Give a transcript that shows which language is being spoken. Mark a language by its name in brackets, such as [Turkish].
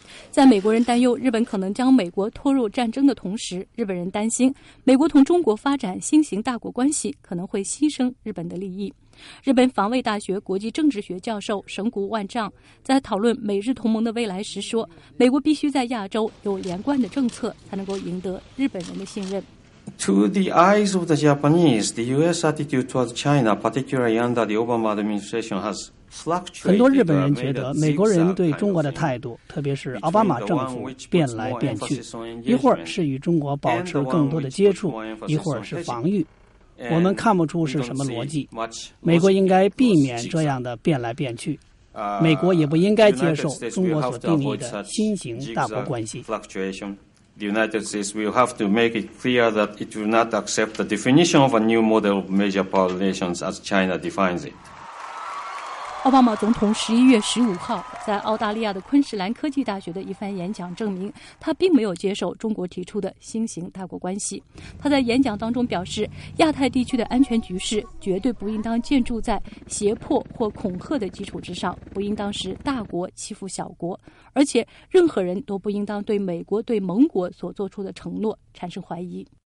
[Chinese] 在美国人担忧日本可能将美国拖入战争的同时，日本人担心美国同中国发展新型大国关系可能会牺牲日本的利益。日本防卫大学国际政治学教授神谷万丈在讨论美日同盟的未来时说，美国必须在亚洲有连贯的政策才能够赢得日本人的信任。 [English] To the eyes of the Japanese, the U.S. attitude towards China, particularly under the Obama administration, has fluctuated. [Chinese] 很多日本人觉得美国人对中国的态度，特别是奥巴马政府，变来变去，一会儿是与中国保持更多的接触，一会儿是防御。我们看不出是什么逻辑。美国应该避免这样的变来变去，美国也不应该接受中国所定义的新型大国关系。 [English] The United States will have to make it clear that it will not accept the definition of a new model of major power relations as China defines it. [Chinese] 奥巴马总统11月15号在澳大利亚的昆士兰科技大学的一番演讲证明，他并没有接受中国提出的新型大国关系。他在演讲当中表示，亚太地区的安全局势绝对不应当建筑在胁迫或恐吓的基础之上，不应当是大国欺负小国，而且任何人都不应当对美国对盟国所做出的承诺产生怀疑。